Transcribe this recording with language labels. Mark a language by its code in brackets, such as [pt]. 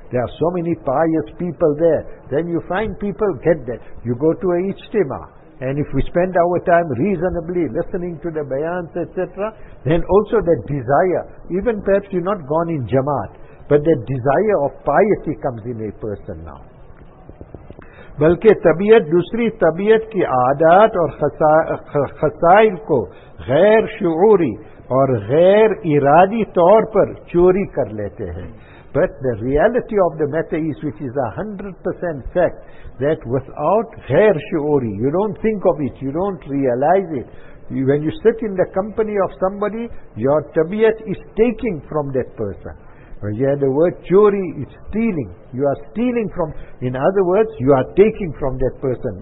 [en] There are so many pious people there. Then you find people get that. You go to a ijtima. And if we spend our time reasonably listening to the bayans, etc., then also that desire, even perhaps you're not gone in jamaat, but that desire of piety comes in a person now. [ur] بلکہ طبیعت دوسری طبیعت کی عادات اور خصائل کو غیر شعوری اور غیر ارادی طور پر چوری کر لیتے ہیں. [en] But the reality of the matter is, which is 100% fact, that without غیر شعوری, you don't think of it, you don't realize it. When you sit in the company of somebody, your tabiat is taking from that person. When you hear the word chori, it's stealing. You are stealing from, in other words, you are taking from that person.